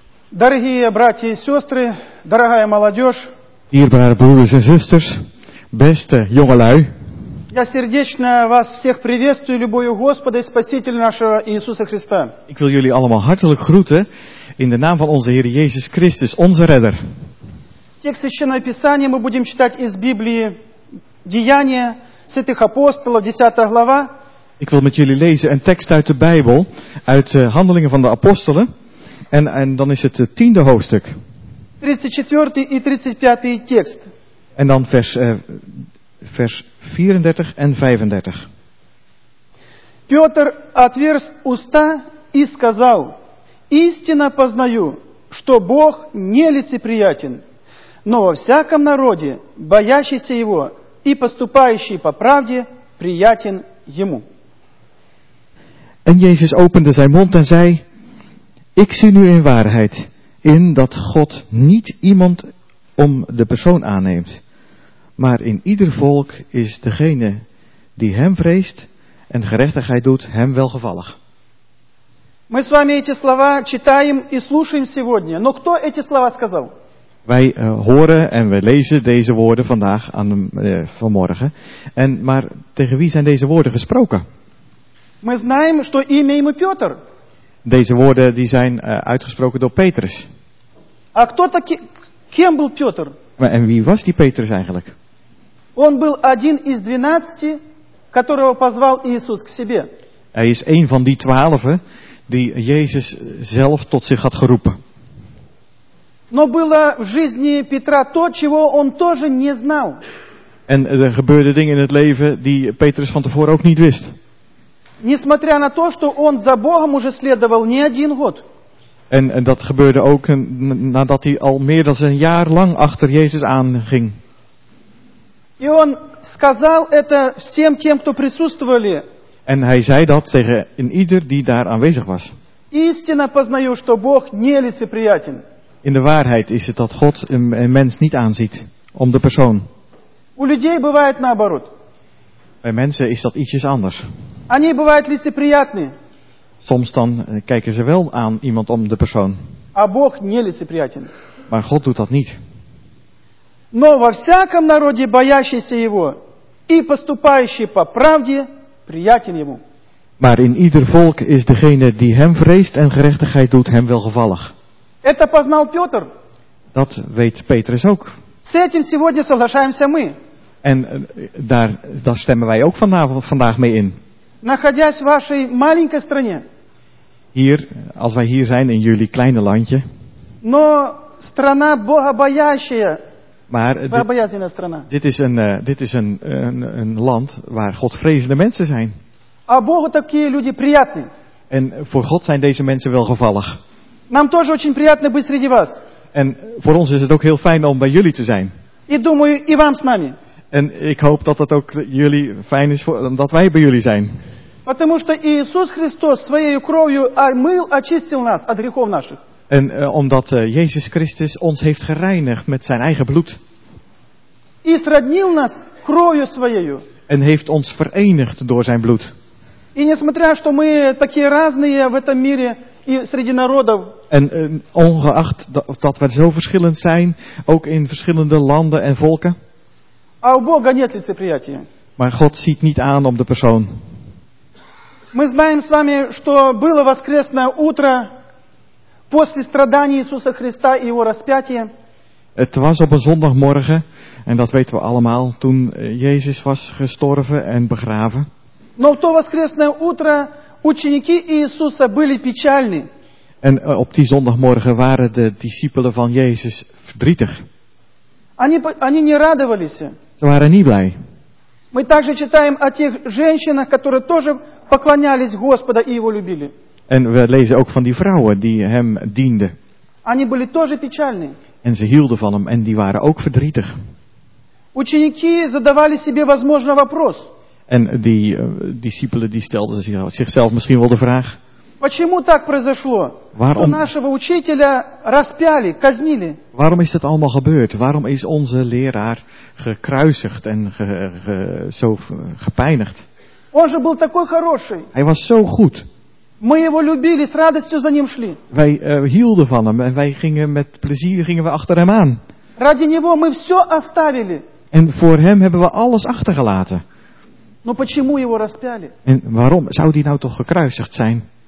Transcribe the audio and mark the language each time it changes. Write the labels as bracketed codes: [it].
[ru] Дорогие братья и сестры, дорогая молодежь, [nl] dierbare broeders en zusters, beste jongelui, [ru] я сердечно вас всех приветствую, любую Господа и Спасителя нашего Иисуса Христа. [nl] Ik wil jullie allemaal hartelijk groeten in de naam van onze Heer Jezus Christus, onze Redder. [ru] Текст Священного Писания мы будем читать из Библии Деяния святых апостолов, 10 глава. [nl] Ik wil met jullie lezen een tekst uit de Bijbel, uit de Handelingen van de Apostelen. En dan is het het tiende hoofdstuk. 34 en 35 tekst. En dan vers 34 en 35. [ru] Петр отверз уста и сказал: истинно познаю, что Бог нелицеприятен, но во всяком народе, боящийся Его и поступающий по правде, приятен Ему. [nl] En Jezus opende zijn mond en zei: ik zie nu in waarheid in dat God niet iemand om de persoon aanneemt, maar in ieder volk is degene die hem vreest en gerechtigheid doet hem welgevallig. [ru] Мы с вами эти слова читаем и слушаем сегодня. Но кто эти слова сказал? [nl] Wij horen en we lezen deze woorden vandaag aan vanmorgen. En maar tegen wie zijn deze woorden gesproken? [ru] Мы знаем, что имя ему Петр. [nl] Deze woorden die zijn uitgesproken door Petrus. [ru] А кто таки, кем был Петр? [nl] En wie was die Petrus eigenlijk? [ru] Он был один из двенадцати, которого позвал Иисус к себе. [nl] Hij is een van die twaalf die Jezus zelf tot zich had geroepen. [ru] Но было в жизни Петра то, чего он тоже не знал. [nl] En er gebeurden dingen in het leven die Petrus van tevoren ook niet wist. [ru] Несмотря на то, что он за Богом уже следовал не один год. [nl] En dat gebeurde ook nadat hij al meer dan een jaar lang achter Jezus aanging. [ru] И он сказал это всем тем, кто присутствовали. [nl] En hij zei dat tegen een ieder die daar aanwezig was. [ru] Истинно познаю, что Бог нелицеприятен. [nl] In de waarheid is het dat God een mens niet aanziet om de persoon. [ru] У людей бывает наоборот. [nl] Bij mensen is dat ietsjes anders. [ru] Они бывают лицеприятны. [nl] Soms dan kijken ze wel aan iemand om de persoon. [ru] А Бог не лицеприятен. [nl] Maar God doet dat niet. [ru] Но во всяком народе боящийся Его и поступающий по правде приятен Ему. [nl] Maar in ieder volk is degene die Hem vreest en gerechtigheid doet Hem welgevallig. [ru] Это познал Петр. [nl] Dat weet Petrus ook. [ru] С этим сегодня соглашаемся мы. [nl] En daar stemmen wij ook vandaag mee in. [ru] Находясь в вашей маленькой стране. [nl] Hier, als wij hier zijn in jullie kleine landje. [ru] Но страна богобоящая. [nl] Maar [ru] богобоязненная страна. [nl] Dit is een land waar Godvrezende mensen zijn. [ru] А Богу такие люди приятны. [nl] En voor God zijn deze mensen welgevallig. [ru] Нам тоже очень приятно быть среди вас. [nl] En voor ons is het ook heel fijn om bij jullie te zijn. [ru] И думаю, и вам с нами. [nl] En ik hoop dat het ook jullie fijn is dat wij bij jullie zijn. [ru] Потому что Иисус Христос своей кровью омыл, очистил нас от грехов наших. [nl] En omdat Jezus Christus ons heeft gereinigd met zijn eigen bloed. [ru] И сроднил нас кровью своей. [nl] En heeft ons verenigd door zijn bloed. [ru] И несмотря что мы такие разные в этом мире и среди народов. [nl] En ongeacht dat we zo verschillend zijn, ook in verschillende landen en volken. [ru] А у Бога нет лицеприятия. [nl] Maar God ziet niet aan om de persoon. [ru] Мы знаем с вами, что было воскресное утро после страданий Иисуса Христа и его распятия. [nl] Het was op een zondagmorgen, en dat weten we allemaal, toen Jezus was gestorven en begraven. [ru] Но в то воскресное утро ученики Иисуса были печальны. [nl] En op die zondagmorgen waren de discipelen van Jezus verdrietig. [ru] Они не радовались. [nl] Ze waren niet blij. [ru] Мы также читаем о тех женщинах, которые тоже поклонялись Господу и его любили. [nl] En we lezen ook van die vrouwen die hem dienden. [ru] Они были тоже печальны. [nl] En ze hielden van hem en die waren ook verdrietig. [ru] Ученики задавали себе возможно вопрос. [nl] En die discipelen die stelden zichzelf misschien wel de vraag. [ru] Почему так произошло? [nl] Waarom, [ru] что нашего учителя распяли, казнили? [nl] Waarom is dat allemaal gebeurd? Waarom is onze leraar gekruisigd en zo gepijnigd? [ru] Он же был такой хороший. [nl] Hij was zo goed. [ru] Мы его любили, с радостью за ним шли. [nl] Wij hielden van hem en wij gingen met plezier gingen we achter hem aan. [ru] Ради него мы все оставили. [nl] En voor hem hebben we alles achtergelaten. [ru] Но почему его распяли? [nl] En waarom zou die nou toch gekruisigd zijn?